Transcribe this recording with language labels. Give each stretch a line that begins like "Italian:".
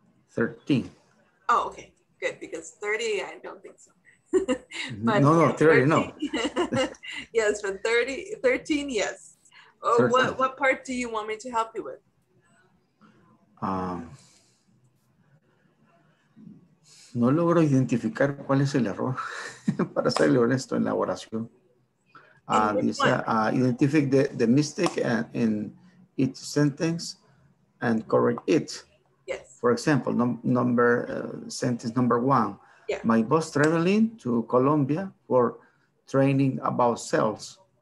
English: 13. Oh, okay, good, because 30, I don't think so. No, 30, no. Yes, but 13, yes. Oh, what part do you want me to help you with? Um,
Spanish: No logro identificar cuál es el error, para serle honesto, en la oración. Dice,
English: identify the mistake in each sentence and correct it. Yes. For example, sentence number one. Yeah. My boss traveling to Colombia for training about sales.